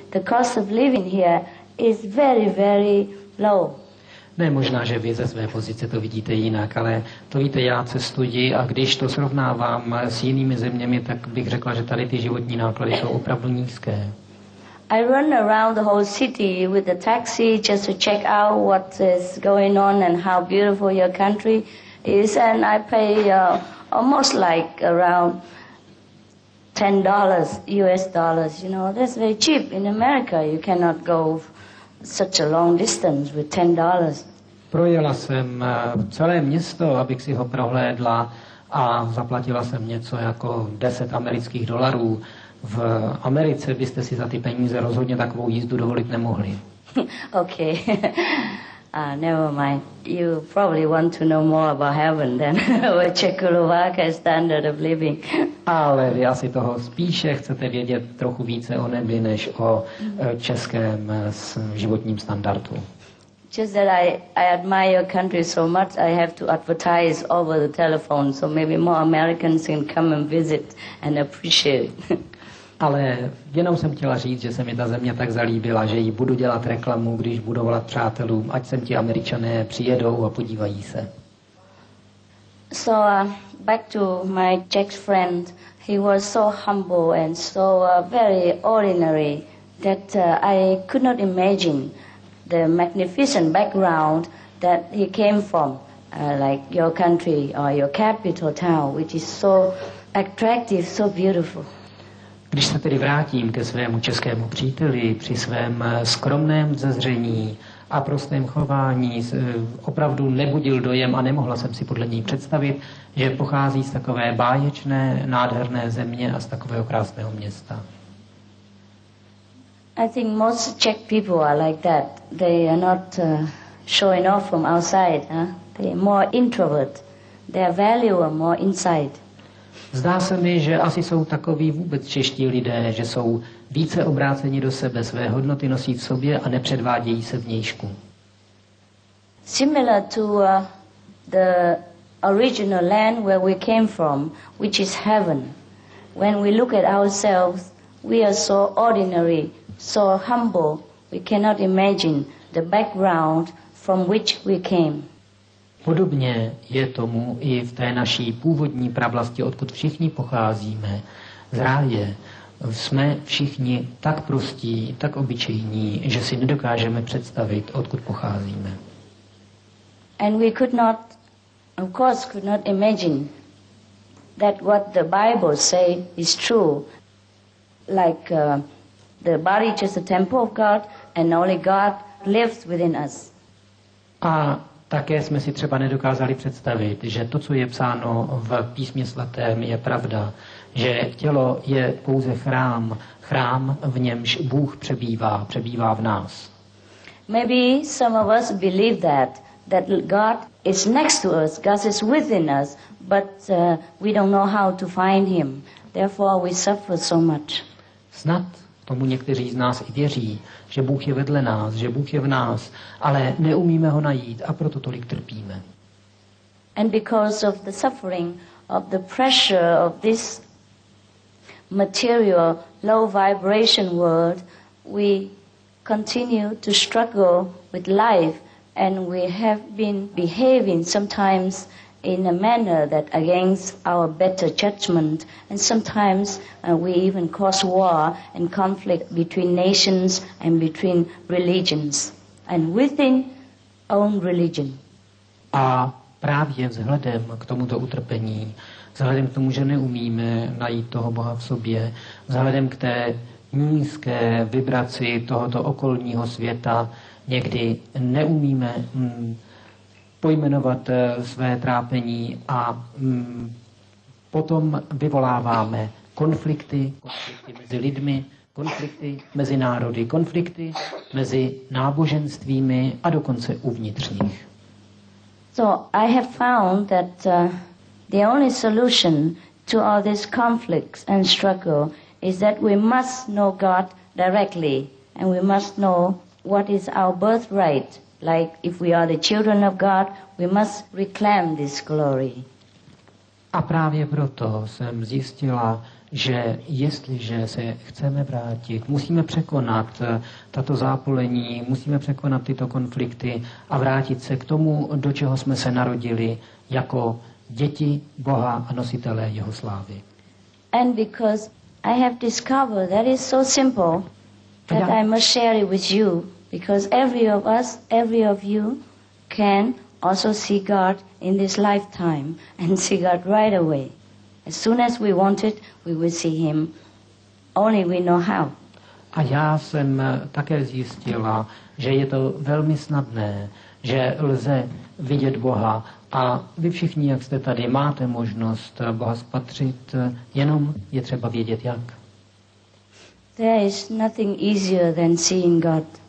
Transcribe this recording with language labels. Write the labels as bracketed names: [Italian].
[English] The cost of living here is very, very low. [Czech] Ne, možná, že vy ze své pozice to vidíte jinak, ale to víte, já cestuji a když to srovnávám s jinými zeměmi, tak bych řekla, že tady ty životní náklady jsou opravdu nízké. [English] I run around the whole city with a taxi just to check out what is going on and how beautiful your country is, and I pay almost like around $10 US dollars, you know, that's very cheap. In America you cannot go such a long distance with $10. [Czech] Projela jsem celé město, abych si ho prohlédla a zaplatila jsem něco jako 10 amerických dolarů. V Americe byste si za ty peníze rozhodně takovou jízdu dovolit nemohli. [English] Okay. Never mind. You probably want to know more about heaven than about Czechoslovakia standard of living. [Czech] Ale vy asi toho spíše chcete vědět trochu více o nebi než o českém životním standardu. [English] Just that I admire your country so much, I have to advertise over the telephone, so maybe more Americans can come and visit and appreciate. [Czech] Ale jenom jsem chtěla říct, že se mi ta země tak zalíbila, že jí budu dělat reklamu, když budu volat přátelům, ať sem ti Američané přijedou a podívají se. [English] So back to my Czech friend. He was so humble and so very ordinary that I could not imagine the magnificent background that he came from, like your country or your capital town, which is so attractive, so beautiful. [Czech] Když se tedy vrátím ke svému českému příteli při svém skromném vzezření a prostém chování, opravdu nebudil dojem a nemohla jsem si podle něj představit, že pochází z takové báječné, nádherné země a z takového krásného města. [English] I think most Czech people are like that. They are not showing off from outside. They are more introvert. Their value are more inside. [Czech] Zdá se mi, že asi jsou takoví vůbec čeští lidé, že jsou více obráceni do sebe, své hodnoty nosí v sobě a nepředvádějí se vnějšku. [English] Similar to the original land where we came from, which is heaven. When we look at ourselves, we are so ordinary, so humble, we cannot imagine the background from which we came. [Czech] Podobně je tomu i v té naší původní pravlasti, odkud všichni pocházíme. Z ráje jsme všichni tak prostí, tak obyčejní, že si nedokážeme představit, odkud pocházíme. [English] And we could not, of course, could not imagine that what the Bible say is true, like the body is just a temple of God and only God lives within us. [Czech] A také jsme si třeba nedokázali představit, že to, co je psáno v písmě svatém, je pravda, že tělo je pouze chrám, chrám, v němž Bůh přebývá v nás. [English] Maybe some of us believe that God is next to us, God is within us, but we don't know how to find him. Therefore we suffer so much. [Czech] Snad tomu někteří z nás i věří, že Bůh je vedle nás, že Bůh je v nás, ale neumíme ho najít a proto tolik trpíme. [English] And because of the suffering, of the pressure of this material low vibration world, we continue to struggle with life and we have been behaving sometimes in a manner that against our better judgment, and sometimes we even cause war and conflict between nations and between religions and within own religion. [Czech] A právě vzhledem k tomuto utrpení, vzhledem k tomu, že neumíme najít toho Boha v sobě, vzhledem k té nízké vibraci tohoto okolního světa, někdy neumíme pojmenovat své trápení a potom vyvoláváme konflikty, konflikty mezi lidmi, konflikty mezi národy, konflikty mezi náboženstvími a dokonce uvnitř nich. [English] So I have found that the only solution to all these conflicts and struggle is that we must know God directly and we must know what is our birthright. Like if we are the children of God, we must reclaim this glory. [Czech] A právě proto jsem zjistila, že jestliže se chceme vrátit, musíme překonat tato zápolení, musíme překonat tyto konflikty a vrátit se k tomu, do čeho jsme se narodili jako děti Boha a nositelé jeho slávy. [English] And because I have discovered that is so simple that I must share it with you. Because every of us, every of you, can also see God in this lifetime and see God right away. As soon as we want it, we will see Him. Only we know how. [Czech] A já jsem také zjistila, že je to velmi snadné, že lze vidět Boha. A vy všichni, jak jste tady, máte možnost Boha spatřit, jenom je třeba vědět jak. [English] There is nothing easier than seeing God.